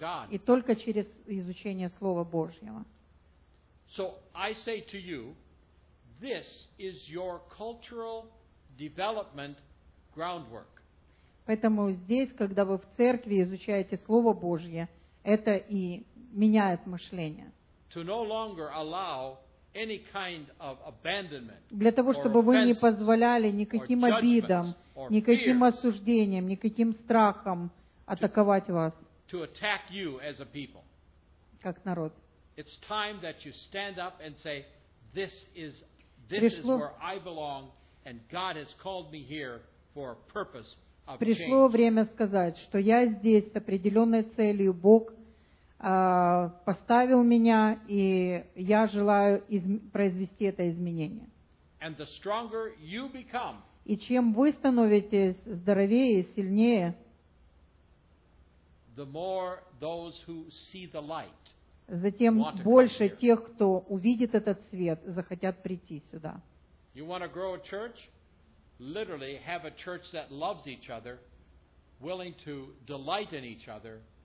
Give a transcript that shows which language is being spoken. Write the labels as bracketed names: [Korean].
[Russian] И только через изучение Слова Божьего. [English] So I say to you, this is your cultural development groundwork. [Russian] Поэтому здесь, когда вы в церкви изучаете Слово Божье, это и меняет мышление. [English] To no longer allow any kind of abandonment. [Russian] Для того, чтобы вы не позволяли никаким обидам, никаким осуждениям, никаким страхам атаковать вас. [English] To attack you as a people. [Russian] Как народ. [English] It's time that you stand up and say, "This is where I belong, and God has called me here for a purpose of change." [Russian] Пришло время сказать, что я здесь с определенной целью, Бог поставил меня, и я желаю произвести это изменение. [English] And the stronger you become, [Russian] и чем вы становитесь здоровее и сильнее, [English] the more those who see the light, [Russian] затем больше тех, кто увидит этот свет, захотят прийти сюда. [English] You want to grow a church? Literally have a church that loves each other, willing to delight in each other.